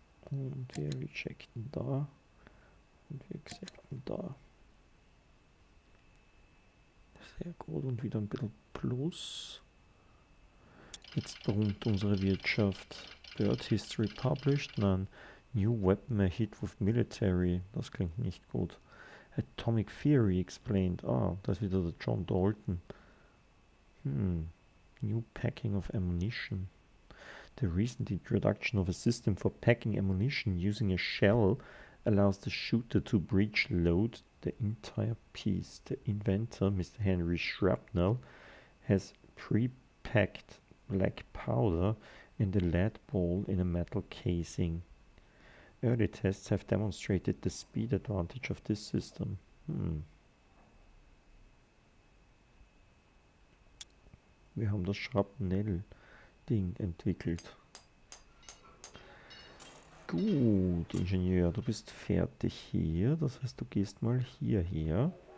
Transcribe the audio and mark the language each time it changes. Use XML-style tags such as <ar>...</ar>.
<de>Und wir rejecten da. Und wir accepten da. Sehr gut. Und wieder ein bisschen Plus. Jetzt brummt unsere Wirtschaft.</de> <en>Bird History published.</en> <de>Nein.</de> <en>New weapon a hit with military.</en> <de>Das klingt nicht gut.</de> <en>Atomic Theory explained.</en> <de>Ah, das ist wieder der John Dalton.</de> <en>New packing of ammunition. The recent introduction of a system for packing ammunition using a shell allows the shooter to breech load the entire piece. The inventor, Mr. Henry Shrapnel, has pre-packed black powder and a lead ball in a metal casing. Early tests have demonstrated the speed advantage of this system.</en> <de>Wir haben das Schrapnell-Ding entwickelt. Gut, Ingenieur, du bist fertig hier. Das heißt, du gehst mal hierher.</de>